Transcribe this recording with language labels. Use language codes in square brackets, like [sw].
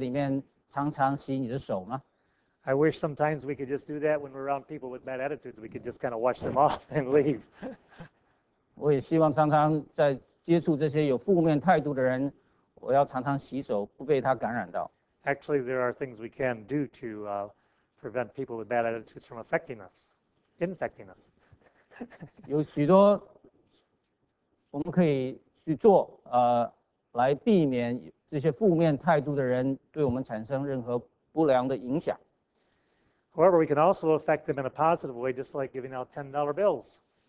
[zh] 有多少人在冬天，特别是流感兴盛的这个季节里面，常常洗你的手吗？ [en] I wish sometimes we could just do that when we're around people with bad attitudes, we could just kind of wash them off and leave. [zh] 我也希望常常在接触这些有负面态度的人，我要常常洗手，不被他感染到。 [en] Actually, there are things we can do to prevent people with bad attitudes from infecting us. [zh] 有许多我们可以去做，来避免这些负面态度的人对我们产生任何不良的影响。 [en] However, we can also affect them in a positive way, just like giving out $10 bills.